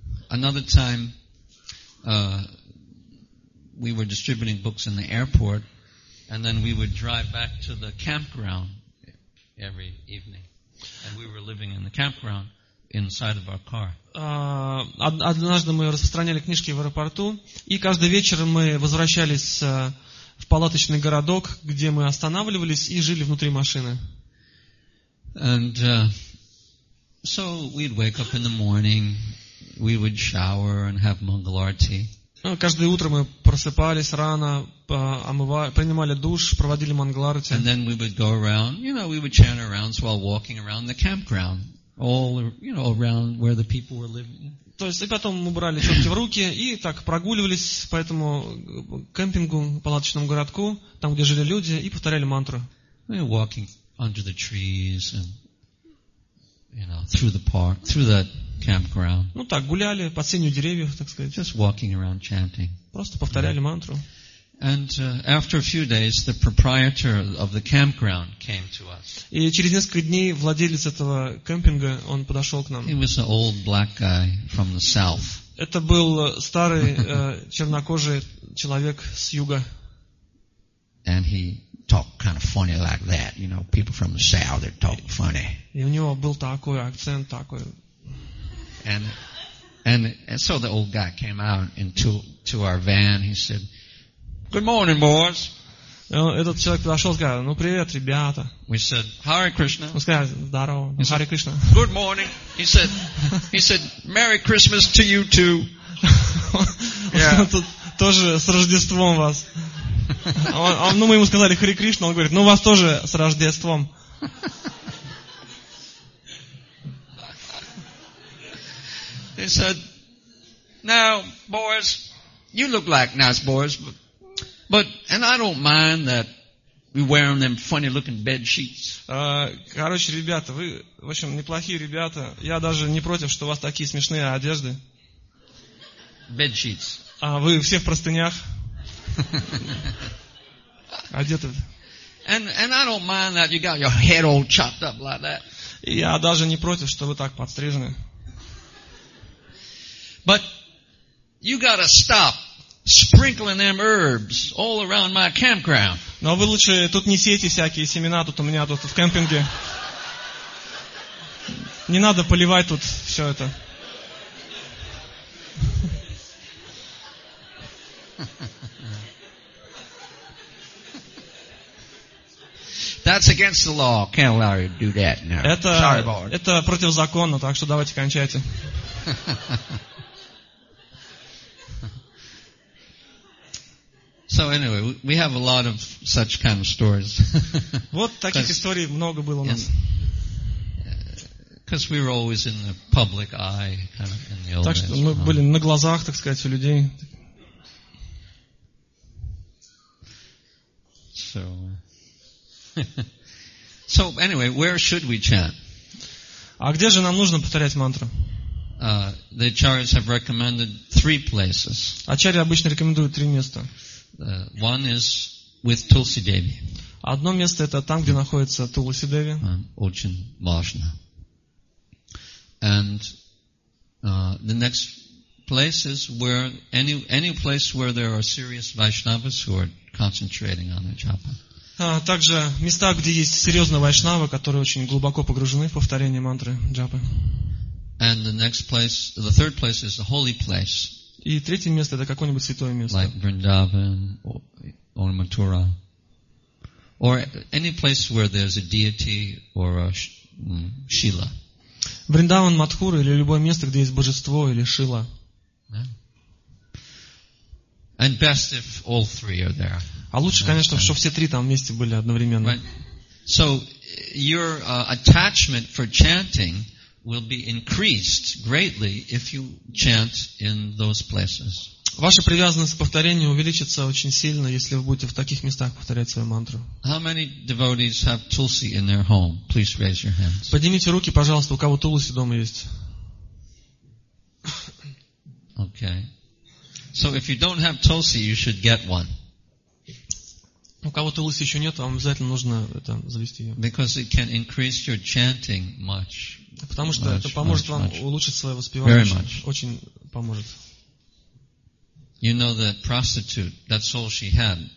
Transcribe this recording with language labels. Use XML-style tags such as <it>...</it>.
<en>Another time, we were distributing books in the airport, and then we would drive back to the campground every evening. And we were living in the campground. Inside of our car.</en> <ru>Однажды мы распространяли книжки в аэропорту, и каждый вечер мы возвращались в палаточный городок, где мы останавливались и жили внутри машины.</ru> <en>And so we'd wake up in the morning, we would shower and have mangal arti.</en> <ru>Каждое утро мы просыпались рано, принимали душ, проводили мангал арти.</ru> <en>And then we would go around, you know, we would chant around while walking around the campground. All, you know, around where the people were living.</en> <ru>То есть и потом мы брали четки в руки и так прогуливались по этому кемпингу, палаточному городку, там где жили люди, и повторяли мантру.</ru> <en>We were walking under the trees and, you know, through the park, through that campground.</en> <ru>Ну так гуляли по сенью деревьев, так сказать.</ru> <en>Just walking around chanting.</en> <ru>Просто повторяли мантру.</ru> <en>And after a few days, the proprietor of the campground came to us.</en> <ru>И через несколько дней владелец этого кемпинга он подошел к нам.</ru> <en>He was an old black guy from the south.</en> <ru>Это был старый чернокожий человек с юга.</ru> <en>And he talked kind of funny like that, you know, people from the south they talk funny.</en> <ru>И у него был такой акцент такой.</ru> <en>And so the old guy came out into our van. He said. Good morning, boys.</en> <ru>Этот человек подошел и сказал, ну привет, ребята.</ru> <en>We said, Hare Krishna.</en> <ru>Мы сказали, здорово, Hare Krishna.</ru> <en>Good morning. He said, Merry Christmas to you too. Yeah.</en> <ru>Тут тоже с Рождеством вас. Ну, мы ему сказали Hare Krishna, он говорит, ну вас тоже с Рождеством.</ru> <en>He said, now, boys, you look like nice boys, but I don't mind that We wear on them funny-looking bed sheets.</en> <ru>Короче, ребята, вы, в общем, неплохие ребята. Я даже не против, что у вас такие смешные одежды.</ru> <en>Bed sheets.</en> <ru>А вы все в простынях? Одеты.</ru> <en>And I don't mind that you got your head all chopped up like that.</en> <ru>Я даже не против, что вы так подстрижены.</ru> <en>But you got to stop. Sprinkling them herbs all around my campground.</en> <ru>Но вы лучше тут не сейте всякие семена тут у меня тут в кемпинге. Не надо поливать тут все это.</ru> <en>That's against the law. Can't allow you to do that now. Sorry, Bart.</en> <ru>Это против закона, так что давайте кончайте.</ru> <en>So anyway, we have a lot of such kind of stories.</en> <ru>Вот таких историй много было у нас.</ru> <en>Because we were always in the public eye, kind of in the old days.</en> <ru>Так что мы были на глазах, так сказать, у людей.</ru> <en>So anyway, where should we chant?</en> <ru>А где же нам нужно повторять мантру?</ru> <en>The acharyas have recommended three places.</en> <ru>Ачарьи обычно рекомендуют три места.</ru> <en>One is with Tulsi Devi.</en> <ru>Одно место это там, где находится Тулси Деви. Очень важно.</ru> <en>And the next place is where any place where there are serious Vaishnavas who are concentrating on the japa.</en> <ru>Также места, где есть серьезные вайшнавы, которые очень глубоко погружены в повторение мантры джапы.</ru> <en>And the next place, the third place is the holy place.</en> <ru>И третье место это какое-нибудь святое место.</ru> <en>Like Vrindavan or Mathura. Or any place where there's a deity or a Shila.</en> <ru>Vrindavan, Mathura или любое место, где есть божество или Шила.</ru> <en>And best if all three are there.</en> <ru>А лучше, конечно, чтобы все три там вместе были одновременно.</ru> <en>So your attachment for chanting will be increased greatly if you chant in those places.</en> <ru>Ваша привязанность к повторению увеличится очень сильно, если вы будете в таких местах повторять свою мантру.</ru> <en>How many devotees have tulsi in their home? Please raise your hands.</en> <ru>Поднимите руки, пожалуйста, у кого тулси дома есть.</ru> <en>Okay. So if you don't have tulsi, you should get one.</en> <ru>У кого тулси еще нет, вам обязательно нужно это завести ее.</ru> <en>Because it can increase your chanting much.</en> <ru>Потому что</ru> <en>much,</en> <ru>это поможет</ru> <en>much,</en> <ru>вам</ru> <en>much.</en> <ru>Улучшить свое воспевание.</ru> <en>Very much.</en> <ru>Очень поможет.</ru> <en>You know that prostitute, that's all she had.</en>